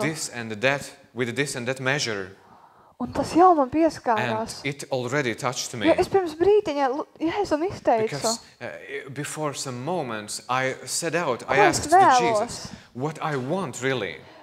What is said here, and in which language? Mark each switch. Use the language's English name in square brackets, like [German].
[English] This and that, with this and that measure. [Latvian] Un tas jau man pieskārās. [English] And it already touched me. [Latvian] Jo es pirms brīdiņa Jēzum izteicu. [English] Because before some moments I said out, I asked to Jesus what I want really.